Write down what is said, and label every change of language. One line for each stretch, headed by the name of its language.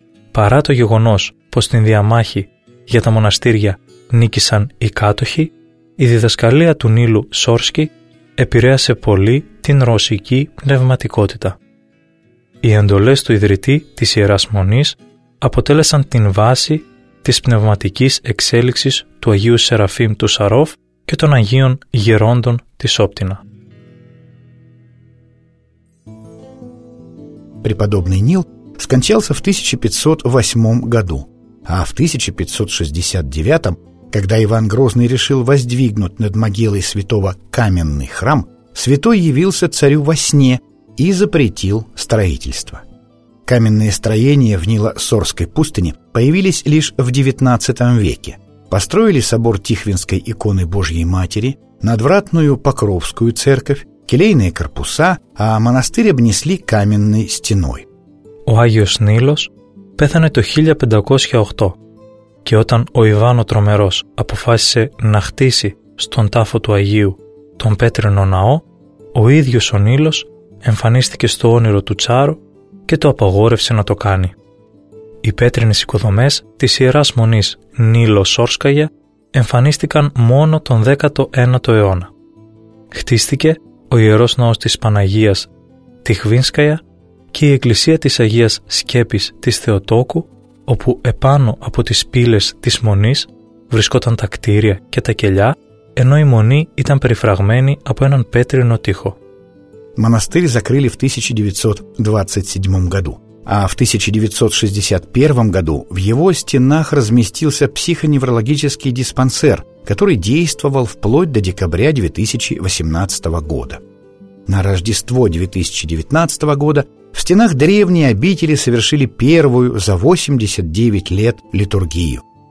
Greek: Παρά το γεγονός πως την διαμάχη για τα μοναστήρια νίκησαν οι κάτοχοι, η διδασκαλία του Νίλου Σόρσκι επηρέασε πολύ την ρωσική πνευματικότητα. Οι εντολές του ιδρυτή της Ιεράς Μονής αποτέλεσαν την βάση της πνευματικής εξέλιξης του Αγίου Σεραφείμ του Σαρόφ και των Αγίων Γερόντων της Όπτινα.
Russian: Преподобный Нил скончался в 1508 году, а в 1569, когда Иван Грозный решил воздвигнуть над могилой святого каменный храм, святой явился царю во сне и запретил строительство. Каменные строения в Нило-Сорской пустыне появились лишь в XIX веке. Построили собор Тихвинской иконы Божьей Матери, надвратную Покровскую церковь, келейные корпуса, а монастырь обнесли каменной стеной.
Greek: Ο Άγιος Νίλος πέθανε το 1508 και όταν ο Ιβάν ο Τρομερός αποφάσισε να χτίσει στον τάφο του Αγίου τον Πέτρινο Ναό, ο ίδιος ο Νίλος εμφανίστηκε στο όνειρο του Τσάρου και το απαγόρευσε να το κάνει. Οι πέτρινες οικοδομές της Ιεράς Μονής Νίλο-Σόρσκαγια εμφανίστηκαν μόνο τον 19ο αιώνα. Χτίστηκε ο Ιερός Ναός της Παναγίας Τιχβίνσκαγια και η Εκκλησία της Αγίας Σκέπης της Θεοτόκου, όπου επάνω από τις πύλες της Μονής βρισκόταν τα κτίρια και τα κελιά, ενώ η Μονή ήταν περιφραγμένη από έναν πέτρινο τοίχο.
Russian: Монастырь закрыли в 1927 году, а в 1961 году в его стенах разместился психоневрологический диспансер, который действовал вплоть до декабря 2018 года. На Рождество 2019 года в стенах древней обители совершили первую за 89 лет литургию.